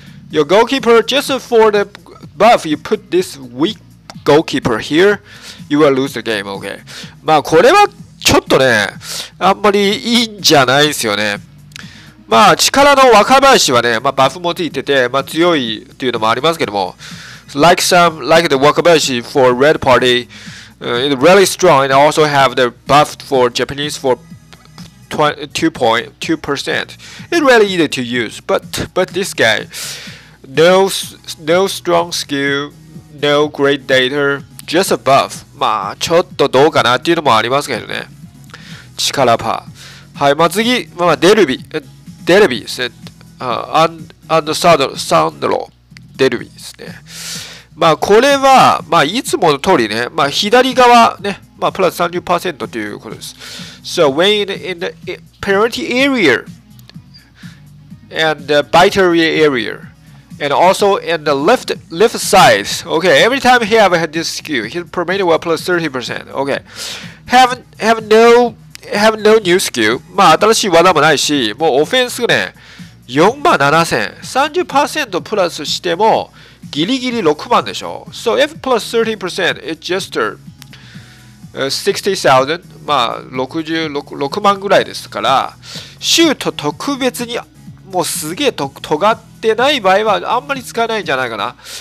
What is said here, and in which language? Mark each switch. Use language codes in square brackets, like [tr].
[en] Your goalkeeper, just for the buff, you put this weak goalkeeper here, you will lose the game, okay? [ja] まあこれはちょっとね、あんまりいいんじゃないですよね。まあ、力の若林はね、まあ、バフもついてて、まあ、強いっていうのもありますけども、 [en] like the 若林 for Red Party, is really strong and also have the buff for Japanese for 2%. It's really easy to use, but this guy, no strong skill, no great data, just a buff. [ja] まあ、ちょっとどうかなっていうのもありますけどね。力パー。はい、まあ次、まあ、デルビー。デレビですね。アンドサンドロ、デレビですね。まあ、これは、まあ、いつもの通りね、まあ、左側ね、まあ、プラス 30% ということです。 [en] So, when in the penalty area, and the bite area area, and also in the left side, okay, every time he have had this skill, his permanent will plus 30%, okay. Have no new skill. [ja] まあ新しい技もないし、もうオフェンスがね、4万7000。 30% プラスしても、ギリギリ6万でしょ。 [en] So if plus 30%, it's just 60,000. [ja] まあ6万ぐらいですから、シュート特別に、もうすげえ尖ってない場合は、あんまり使えないんじゃないかな。